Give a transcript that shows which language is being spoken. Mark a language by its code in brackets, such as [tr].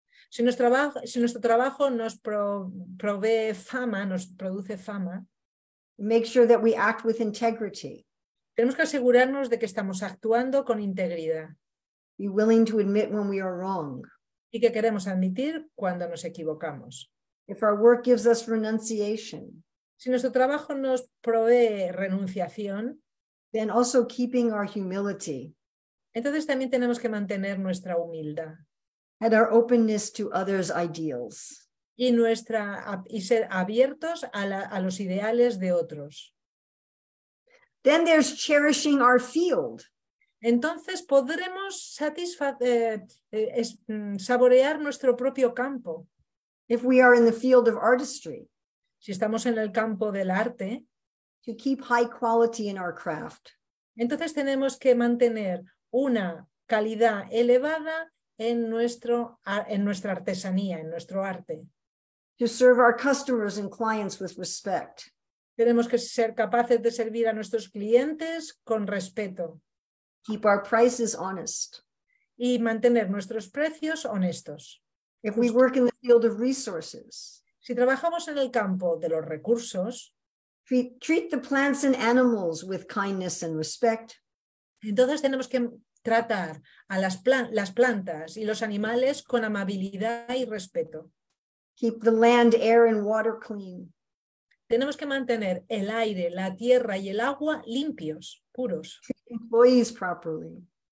[es] Si nuestro trabajo nos provee fama, nos produce fama. [en] Make sure that we act with integrity. [es] Tenemos que asegurarnos de que estamos actuando con integridad. [en] Be willing to admit when we are wrong. [es] Y que queremos admitir cuando nos equivocamos. [en] If our work gives us renunciation. [es] Si nuestro trabajo nos provee renunciación. [en] Then also keeping our humility. [es] Entonces también tenemos que mantener nuestra humildad. [en] And our openness to others' ideals. [es] Y ser abiertos a los ideales de otros. [en] Then there's cherishing our field. [es] Entonces podremos saborear nuestro propio campo. [en] If we are in the field of artistry. [es] Si estamos en el campo del arte. [en] To keep high quality in our craft. [es] Entonces tenemos que mantener una calidad elevada en nuestra artesanía, en nuestro arte. [en] To serve our customers and clients with respect. [es] Tenemos que ser capaces de servir a nuestros clientes con respeto. [en] Keep our prices honest. [es] Y mantener nuestros precios honestos. [en] If we work in the field of resources. [es] Si trabajamos en el campo de los recursos. [en] Treat the plants and animals with kindness and respect. [es] Entonces tenemos que tratar a las plantas y los animales con amabilidad y respeto. [en] Keep the land, air and water clean. [es] Tenemos que mantener el aire, la tierra y el agua limpios, puros. [en] Treat employees properly.